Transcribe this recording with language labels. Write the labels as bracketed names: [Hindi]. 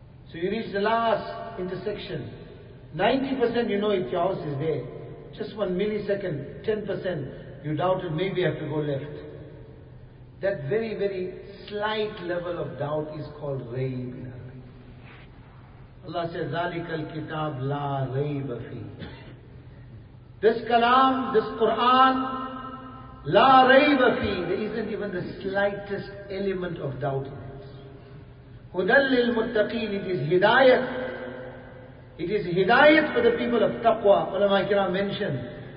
[English] So you reach the last intersection. 90% you know if your house is there. Just 1 millisecond, 10% you doubted, maybe you have to go left. That very, very slight level of doubt is called rayb. Allah says, [Arabic] ذَلِكَ الْكِتَابْ لَا رَيْبَ فِيهِ. [English] This Kalam, this Qur'an, [Arabic] لَا رَيْبَ فِيهِ. [English] There isn't even the slightest element of doubt in it. [Arabic] هُدَلْ لِلْمُتَّقِينِ. [English] It is hidayat. It is hidayat for the people of taqwa. Ulama kiram mentioned.